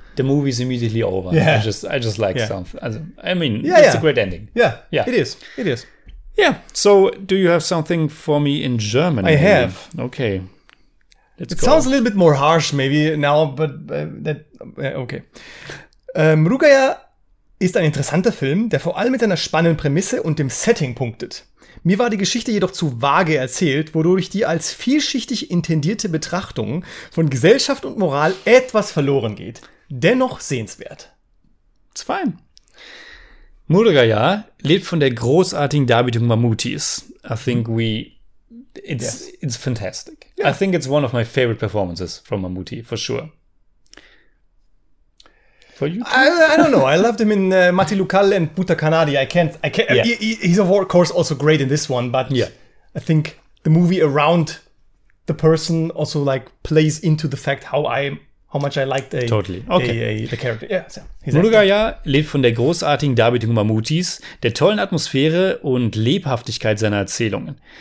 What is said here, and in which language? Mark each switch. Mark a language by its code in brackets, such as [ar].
[en] The movie's immediately over. Yeah. I just like something. I mean, it's a great ending. Yeah, yeah. It is. Yeah. So, do you have something for me in German? I have. Okay. Let's go. Sounds a little bit more harsh, maybe now, but that. Okay. Mrugaya. [de] Ist ein interessanter Film, der vor allem mit seiner spannenden Prämisse und dem Setting punktet. Mir war die Geschichte jedoch zu vage erzählt, wodurch die als vielschichtig intendierte Betrachtung von Gesellschaft und Moral etwas verloren geht. Dennoch sehenswert. [en] It's fine. [de] Mrugaya lebt von der großartigen Darbietung Mammootties. [en] I think it's fantastic. Yeah. I think it's one of my favorite performances from Mammootty, for sure. For you too? I don't know. I loved him in Mati Lucal and Puta Canadi. I can't. Yeah. He's of course also great in this one, but I think the movie around the person also like plays into the fact how much I liked the character. Yeah, [de] so Mrugaya lebt von der großartigen Darbietung Mammootties, der tollen Atmosphäre und Lebhaftigkeit seiner Erzählungen.